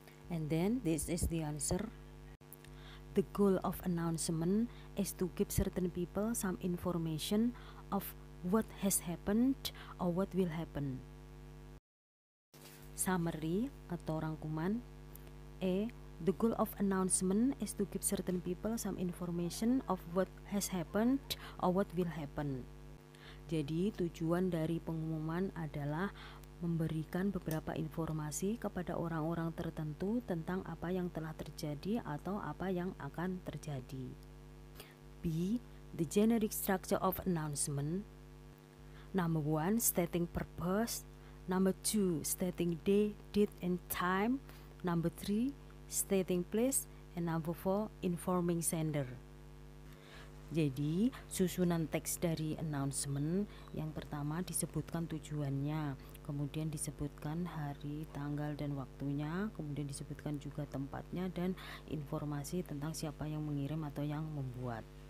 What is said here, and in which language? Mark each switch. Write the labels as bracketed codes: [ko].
[en] And then this is the answer. The goal of announcement is to give certain people some information of what has happened or what will happen. Summary [id] atau rangkuman. [en] A. The goal of announcement is to give certain people some information of what has happened or what will happen. [id] Jadi, tujuan dari pengumuman adalah memberikan beberapa informasi kepada orang-orang tertentu tentang apa yang telah terjadi atau apa yang akan terjadi. [en] B. The generic structure of announcement. Number one, stating purpose. Number two, stating day, date, and time. Number three, stating place, and number four, informing sender. [id] Jadi, susunan teks dari announcement, yang pertama disebutkan tujuannya, kemudian disebutkan hari, tanggal, dan waktunya, kemudian disebutkan juga tempatnya dan informasi tentang siapa yang mengirim atau yang membuat.